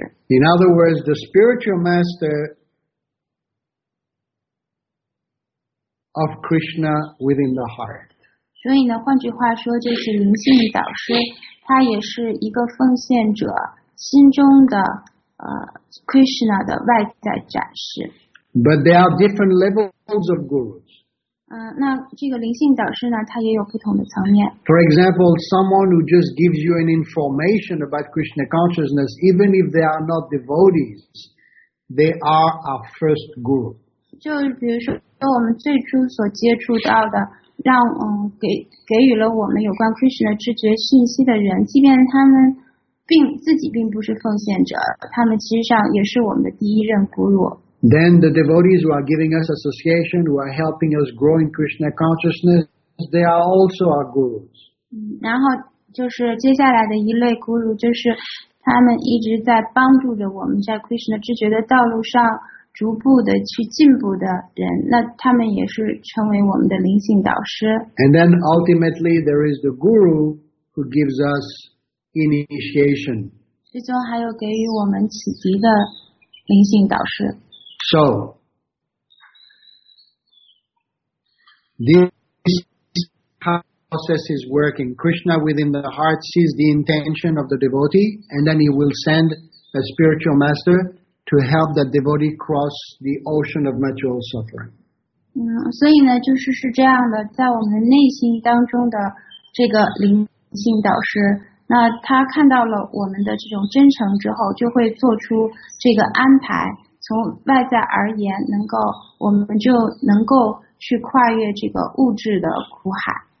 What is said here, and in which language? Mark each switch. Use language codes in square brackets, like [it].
[en] In other words, the spiritual master of Krishna within the heart. [zh] 所以呢，换句话说，就是灵性导师，他也是一个奉献者心中的Krishna 的外在展示。 [en] But there are different levels of gurus. [zh] 那这个灵性导师呢，他也有不同的层面。 [en] For example, someone who just gives you an information about Krishna consciousness, even if they are not devotees, they are our first guru. [zh] 就比如说，我们最初所接触到的。让给予了我们有关 Krishna 知觉信息的人，即便他们并自己并不是奉献者，他们其实上也是我们的第一任 guru。 [en] Then the devotees who are giving us association, who are helping us grow in Krishna consciousness, they are also our gurus。 [zh] 然后就是接下来的一类 guru， 就是他们一直在帮助着我们在 Krishna 知觉的道路上。逐步的去进步的人，那他们也是成为我们的灵性导师。 [en] And then ultimately there is the guru who gives us initiation. [zh] 最终还有给予我们启迪的灵性导师。 [en] So, this process is working. Krishna within the heart sees the intention of the devotee, and then he will send a spiritual master. To help that devotee cross the ocean of material suffering. [zh] 所以呢，就是是这样的，在我们内心当中的这个灵性导师，那他看到了我们的这种真诚之后，就会做出这个安排。从外在而言，能够我们就能够去跨越这个物质的苦海。